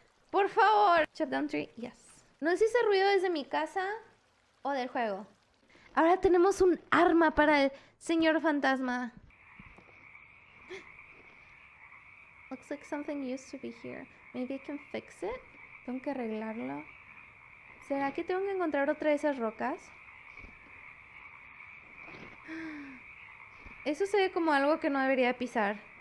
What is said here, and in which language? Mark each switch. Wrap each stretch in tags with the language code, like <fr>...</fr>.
<es>¡Por favor!</es> <en>Chop down tree. Yes.</en> <es>No sé si ese ruido es de mi casa o del juego. Ahora tenemos un arma para el señor fantasma.</es> <en>Looks like something used to be here. Maybe I can fix it.</en> <es>Tengo que arreglarlo. ¿Será que tengo que encontrar otra de esas rocas? Eso se ve como algo que no debería pisar.</es>